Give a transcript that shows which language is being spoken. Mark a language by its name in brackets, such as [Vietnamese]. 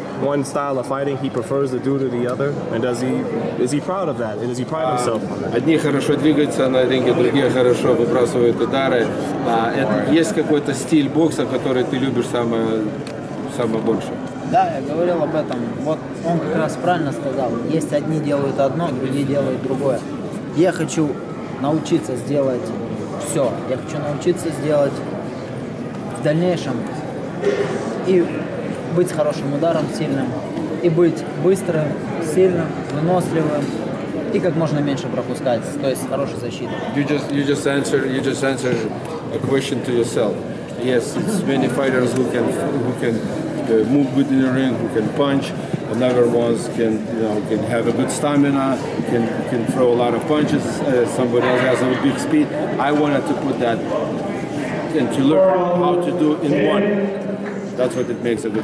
[English] one style of fighting he prefers to do to the other, and is he proud of that? And is he proud of himself? [Russian] Одни хорошо двигаются на ринге, другие хорошо выбрасывают удары. Есть какой-то стиль бокса, который ты любишь самое больше? Да, я говорил об этом. Вот он как раз правильно сказал. Есть одни делают одно, другие делают другое. Я хочу научиться сделать все. Я хочу научиться сделать в дальнейшем и быть хорошим ударом, сильным, и быть быстрым, сильным, выносливым, и как можно меньше пропускать, то есть хорошей защитой. [English] You just answer a question to yourself. Yes, it's many fighters who can move good in the ring, who can punch. Another ones can, you know, can have a good stamina, can throw a lot of punches. Somebody else has a big speed. I wanted to put that and to learn how to do in one. That's what it makes a good fight.